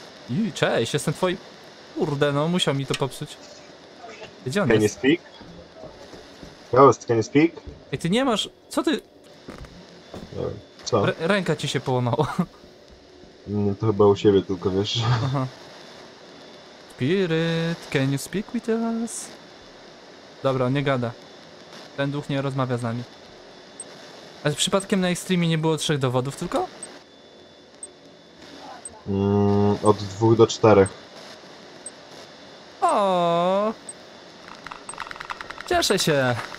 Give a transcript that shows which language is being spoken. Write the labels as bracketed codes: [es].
[pl] I cześć, jestem twoim... Kurde, no, musiał mi to popsuć. Gdzie on [en] can [pl] jest? [en] Can you speak? Ghost, can you speak? [pl] Ej, ty nie masz... Co ty... Co? Ręka ci się połamała. No, to chyba u siebie tylko, wiesz. Aha. [en] Spirit, can you speak with us? [pl] Dobra, on nie gada. Ten duch nie rozmawia z nami. A przypadkiem na streamie nie było trzech dowodów tylko? Od dwóch do czterech. O, cieszę się!